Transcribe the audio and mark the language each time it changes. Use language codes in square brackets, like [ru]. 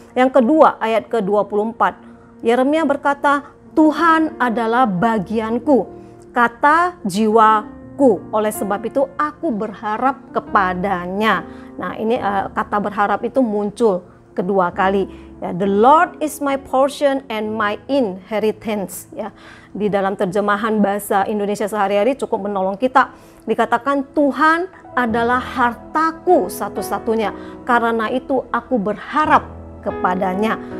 [id] Yang kedua, ayat ke-24. Yeremia berkata, "Tuhan adalah bagianku," kata jiwaku. Oleh sebab itu aku berharap kepadanya. Nah, ini kata berharap itu muncul kedua kali. [en] Ya, the Lord is my portion and my inheritance, ya. [id] Di dalam terjemahan bahasa Indonesia sehari-hari cukup menolong kita. Dikatakan Tuhan adalah hartaku satu-satunya. Karena itu aku berharap kepadanya.